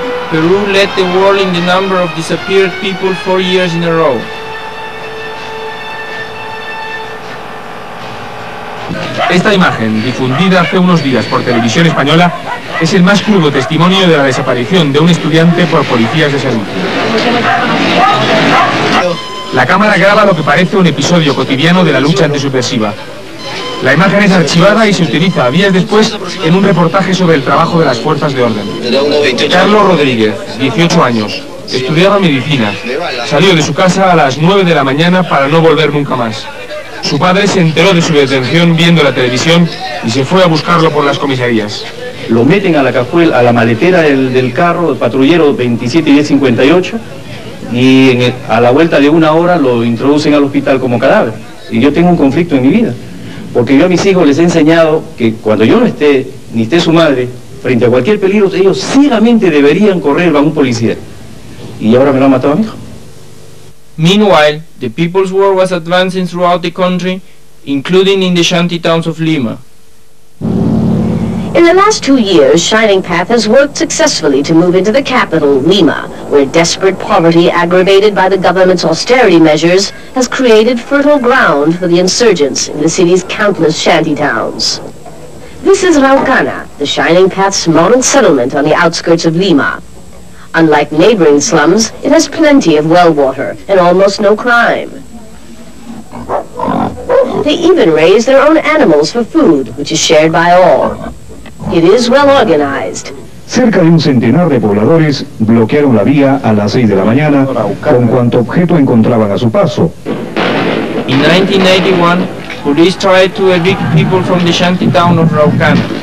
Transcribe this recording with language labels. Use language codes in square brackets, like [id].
[en] Peru led the world in the number of disappeared people 4 years in a row. [es] Esta imagen, difundida hace unos días por Televisión Española, es el más crudo testimonio de la desaparición de un estudiante por policías de servicio. La cámara graba lo que parece un episodio cotidiano de la lucha antisubversiva. La imagen es archivada y se utiliza días después en un reportaje sobre el trabajo de las fuerzas de orden. Carlos Rodríguez, 18 años, estudiaba medicina. Salió de su casa a las 9 de la mañana para no volver nunca más. Su padre se enteró de su detención viendo la televisión y se fue a buscarlo por las comisarías. Lo meten a la cajuela, a la maletera del carro, el patrullero 27 y 58, y a la vuelta de una hora lo introducen al hospital como cadáver. Y yo tengo un conflicto en mi vida, porque yo a mis hijos les he enseñado que cuando yo no esté, ni esté su madre, frente a cualquier peligro, ellos ciegamente deberían correr a un policía. Y ahora me lo ha matado a mi hijo. [en] Meanwhile, the People's War was advancing throughout the country, including in the shanty towns of Lima. In the last 2 years, Shining Path has worked successfully to move into the capital, Lima, where desperate poverty aggravated by the government's austerity measures has created fertile ground for the insurgents in the city's countless shanty towns. This is Raucana, the Shining Path's model settlement on the outskirts of Lima. Unlike neighboring slums, it has plenty of well water and almost no crime. They even raise their own animals for food, which is shared by all. It is well organized. [es] Cerca de un centenar de pobladores bloquearon la vía a las 6 de la mañana con cuanto objeto encontraban a su paso. [en] In 1981, police tried to evict people from the shanty town of Raucana.